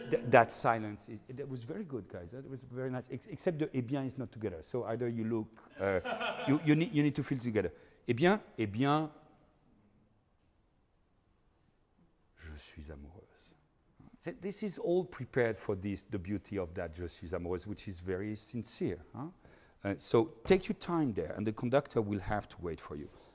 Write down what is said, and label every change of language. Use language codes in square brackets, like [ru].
[en] that silence is, it was very good, guys. It was very nice. Except the eh bien is not together. So either you look, you need to feel together. [fr] Eh bien, je suis amoureuse. [en] This is all prepared for this, the beauty of that [fr] je suis amoureuse, [en] which is very sincere. Huh? So take your time there, and the conductor will have to wait for you.